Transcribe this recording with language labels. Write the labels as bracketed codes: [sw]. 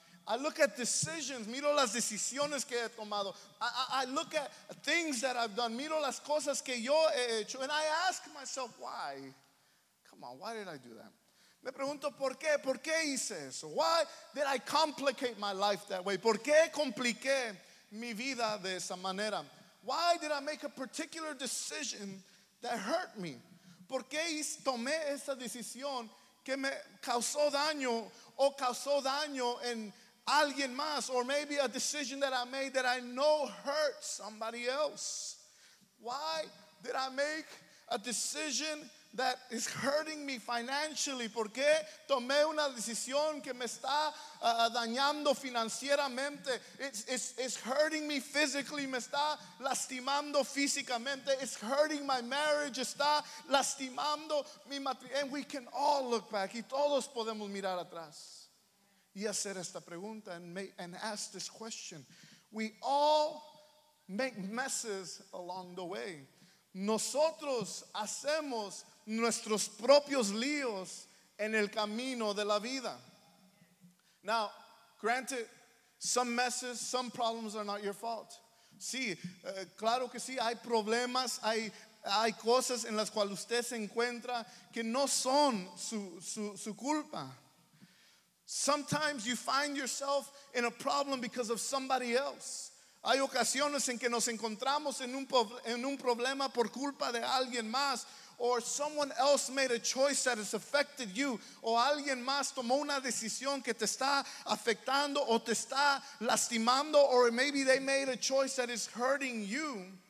[en] I look at decisions, [es] miro las decisiones que he tomado. [en] I look at things that I've done, [es] miro las cosas que yo he hecho. [en] And I ask myself, why? Come on, why did I do that? [es] Me pregunto, ¿por qué hice eso? [en] Why did I complicate my life that way? [es] ¿Por qué compliqué mi vida de esa manera? [en] Why did I make a particular decision that hurt me? [es] ¿Por qué tomé esa decisión que me causó daño o causó daño en alguien más? [en] Or maybe a decision that I made that I know hurt somebody else. Why did I make a decision that is hurting me financially? [es] ¿Por qué tomé una decisión que me está dañando financieramente? [en] It's hurting me physically. [es] Me está lastimando físicamente. [en] It's hurting my marriage. [es] Está lastimando mi matrimonio. [en] And we can all look back. [es] Y todos podemos mirar atrás. y hacer esta pregunta [en] and ask this question. We all make messes along the way. [es] Nosotros hacemos nuestros propios líos en el camino de la vida. [en] Now, granted, some messes, some problems are not your fault. [es] Sí, claro que sí, hay problemas, hay cosas en las cuales usted se encuentra que no son su culpa. [en] Sometimes you find yourself in a problem because of somebody else. [es] Hay ocasiones en que nos encontramos en un problema por culpa de alguien más, [en] or someone else made a choice that has affected you, [es] o alguien más tomó una decisión que te está afectando o te está lastimando, [en] or maybe they made a choice that is hurting you.